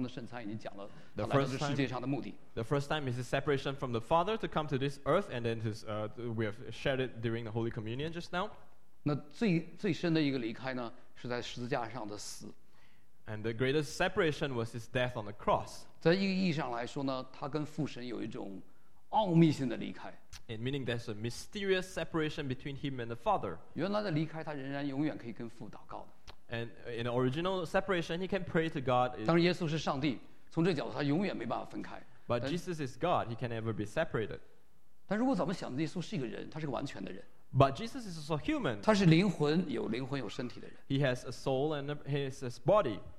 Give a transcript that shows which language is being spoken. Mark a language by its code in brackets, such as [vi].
[zh] 来到这个世界上，成为我们中间的一员。我们刚刚的圣餐已经讲了，他来到这世界上的目的。 [en] The first time is the separation from the Father to come to this earth, and then his, we have shared it during the Holy Communion just now. [zh] 那最深的一个离开呢，是在十字架上的死。 [en] And the greatest separation was his death on the cross. [zh] 在一个意义上来说呢，他跟父神有一种奥秘性的离开。 [en] And meaning there's a mysterious separation between him and the Father. [zh] 原来的离开，他仍然永远可以跟父祷告的。 [en] And in original separation, he can pray to God. [zh] 当然耶稣是上帝，从这角度他永远没办法分开。 [en] But Jesus is God; he can never be separated. [zh] 但如果咱们想，耶稣是一个人，他是个完全的人。 [en] But Jesus is also human. [zh] 他是灵魂，有灵魂，有身体的人。 [en] He has a soul and he has his body.